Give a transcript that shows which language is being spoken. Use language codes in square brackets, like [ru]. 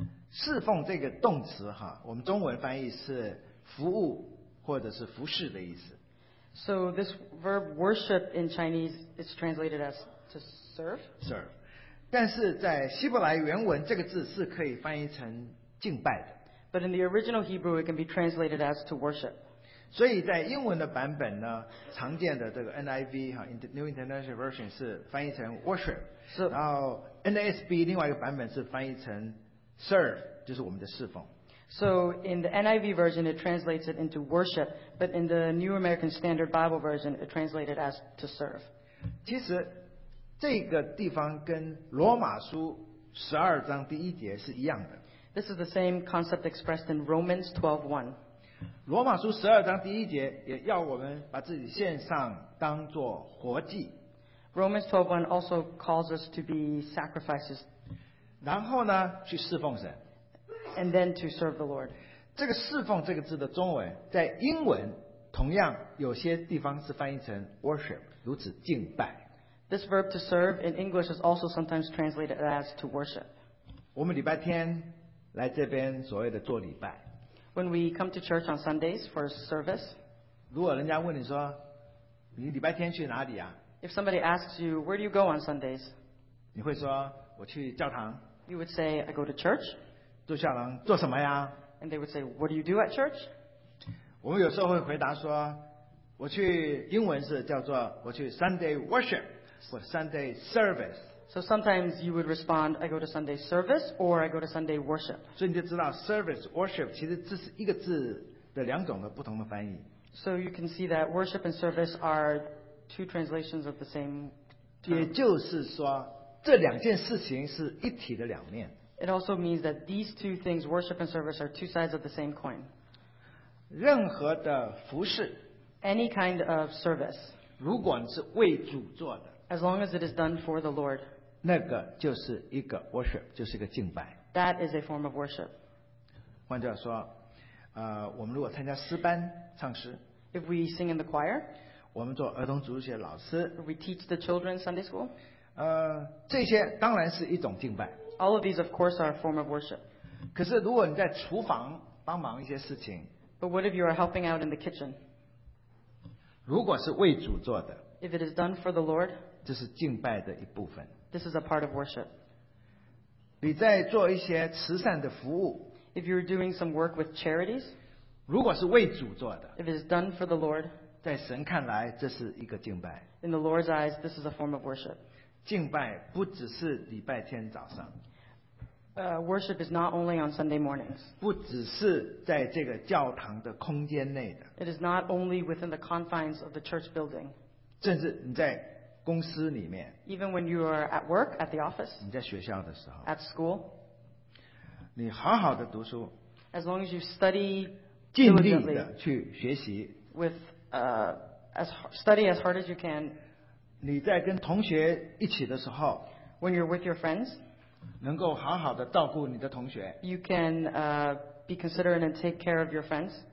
[zh] 侍奉这个动词哈，我们中文翻译是服务或者是服侍的意思。 [en] So this verb worship in Chinese is translated as to serve. Serve. [zh] 但是在希伯来原文这个字是可以翻译成敬拜的。 [en] But in the original Hebrew it can be translated as to worship. [zh] 所以在英文的版本呢，常见的这个 NIV 哈 New International Version 是翻译成 worship， 然后 NASB 另外一个版本是翻译成Serve 就是我们的侍奉。 [en] So in the NIV version, it translates it into worship, but in the New American Standard Bible version, it translates it as to serve. [zh] 其实这个地方跟罗马书十二章第一节是一样的。 [en] This is the same concept expressed in Romans 12:1. [zh] 罗马书十二章第一节也要我们把自己献上当作活祭。 [en] Romans 12:1 also calls us to be sacrifices. [zh] 然后呢，去侍奉神。 [en] And then to serve the Lord. [zh] 这个侍奉这个字的中文在英文同样有些地方是翻译成 worship， 如此敬拜。 [en] This verb to serve in English is also sometimes translated as to worship. [zh] 我们礼拜天来这边所谓的做礼拜。 [en] When we come to church on Sundays for service. [zh] 如果人家问你说，你礼拜天去哪里啊？ [en] If somebody asks you, where do you go on Sundays? [zh] 你会说，我去教堂。 [en] You would say, I go to church. [zh] 做教堂做什么呀？ [en] And they would say, what do you do at church? [zh] 我们有时候会回答说，我去英文是叫做，我去 [en] Sunday worship。 For Sunday service. So sometimes you would respond, I go to Sunday service or I go to Sunday worship. [zh] 所以你就知道 service, worship 其实这是一个字的两种的不同的翻译。 [en] So you can see that worship and service are two translations of the same term. [zh] 也就是说这两件事情是一体的两面。 [en] It also means that these two things, worship and service, are two sides of the same coin. [zh] 任何的服事。 [en] Any kind of service. [zh] 如果你是为主做的。 [en] As long as it is done for the Lord, [zh] 那个就是一个 worship, 就是一个敬拜。 [en] That is a form of worship. [zh] 换句话说，我们如果参加诗班唱诗， [en] if we sing in the choir, [zh] 我们做儿童主日学老师， [en] we teach the children Sunday school, [zh] 这些当然是一种敬拜。 [en] All of these, of course, are a form of worship. [zh] 可是如果你在厨房帮忙一些事情， [en] but what if you are helping out in the kitchen? [zh] 如果是为主做的， [en] if it is done for the Lord, [zh] 这是敬拜的一部分。 [en] This is a part of worship. [zh] 你在做一些慈善的服务。 [en] If you're doing some work with charities. [zh] 如果是为主做的。 [en] If it is done for the Lord. [zh] 在神看来，这是一个敬拜。 [en] In the Lord's eyes, this is a form of worship. [zh] 敬拜不只是礼拜天早上。 [en] Worship is not only on Sunday mornings. [zh] 不只是在这个教堂的空间内的。 [en] It is not only within the confines of the church building. [zh] 甚至你在公司里面， [en] even when you are at work at the office， [zh] 你在学校的时候， [en] at school， [zh] 你好好的读书， [en] as long as you study， [zh] 尽力的去学习， [en] with as study as hard as you can， [zh] 你在跟同学一起的时候， [en] when you're with your friends， [zh] 能够好好的照顾你的同学， [en] you can be considerate and take care of your friends。